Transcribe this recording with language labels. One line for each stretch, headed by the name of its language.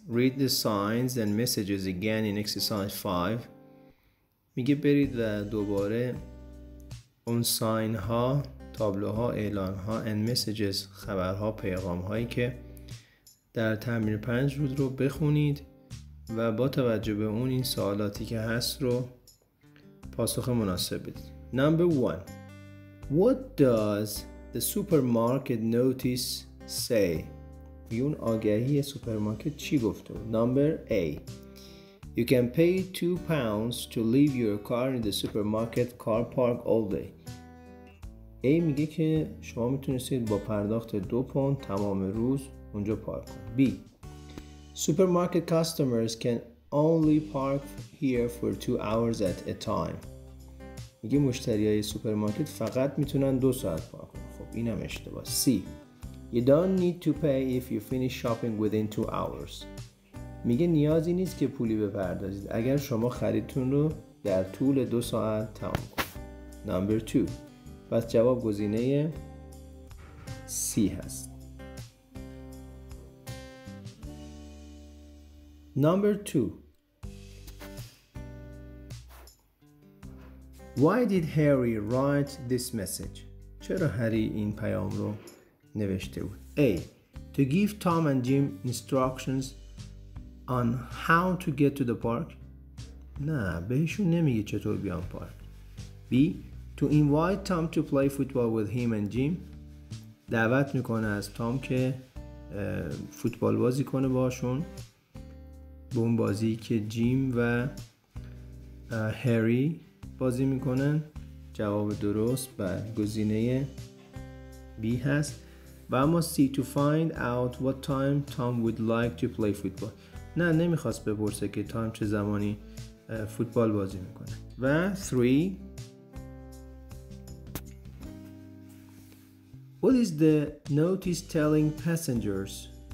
English: Read the signs and messages again in exercise 5.
Persian: میگه برید و دوباره اون ساین ها، تابلوها، اعلان ها
English: and messages،
Persian: خبرها، پیغام هایی که در تمرین 5 بود رو بخونید و با توجه به اون این سوالاتی که هست رو پاسخ مناسب بدید.
English: Number 1. What does the supermarket notice say?
Persian: یون آگهی سوپرمارکت چی گفته؟
English: Number A. You can pay £2 to leave your car in the supermarket car park all day.
Persian: A میگه که شما میتونستید با پرداخت 2 پوند تمام روز اونجا پارک کنید.
English: B. Supermarket customers can only park here for 2 hours at a time.
Persian: میگه مشتریای سوپرمارکت فقط میتونن 2 ساعت پارک کنن. خب اینم اشتباه. C.
English: You don't need to pay if you finish shopping within 2 hours.
Persian: میگه نیازی نیست که پولی بپردازید اگر شما خریدتون رو در طول 2 ساعت تمام کنید.
English: Number 2.
Persian: پس جواب گزینه C هست.
English: Number 2. Why did Harry write this message?
Persian: چرا هری این پیام رو نوشته بود؟ A.
English: To give Tom and Jim instructions on how to get to the park.
Persian: نه، بهشون نمیگه چطور بیان پارک. B.
English: To invite Tom to play football with him and Jim.
Persian: دعوت میکنه از تام که فوتبال بازی کنه باشون. به اون بازی که جیم و هری بازی میکنن. جواب درست و گزینه B هست. و اما C.
English: To find out what time Tom would like to play football.
Persian: نه، نمیخواست بپرسه که تام چه زمانی فوتبال بازی میکنه. و 3.
English: What is the notice telling passengers?